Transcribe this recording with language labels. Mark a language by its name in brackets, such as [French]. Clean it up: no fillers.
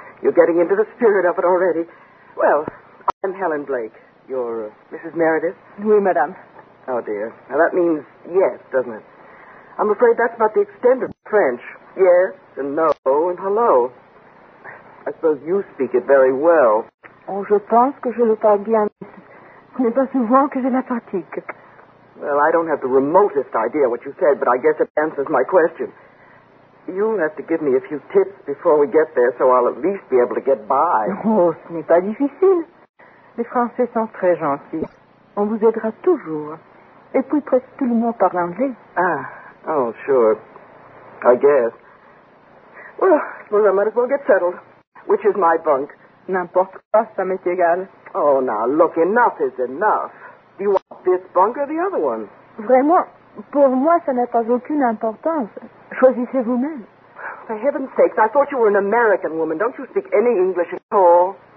[English] You're getting into the spirit of it already. Well, I'm Helen Blake. You're Mrs. Meredith? [French] Oui, madame. [English] Oh, dear. Now, that means yes, doesn't it? I'm afraid that's about the extent of French. Yes and no and hello. I suppose you speak it very well. [French] Oh, je pense que je le parle bien. Ce n'est pas souvent que j'ai la fatigue. [English] Well, I don't have the remotest idea what you said, but I guess it answers my question. You'll have to give me a few tips before we get there, so I'll at least be able to get by. [French] Oh, ce n'est pas difficile. Les Français sont très gentils. On vous aidera toujours. Et puis presque tout le monde parle anglais. [English] Ah, oh, sure. I guess. Well, I might as well get settled. Which is my bunk? [French] N'importe quoi, ça m'est égal. [English] Oh, now, look, enough is enough. Do you want this bunk or the other one? [French] Vraiment, pour moi, ça n'a pas aucune importance. Choisissez vous-même. [English] For heaven's sakes, I thought you were an American woman. Don't you speak any English at all?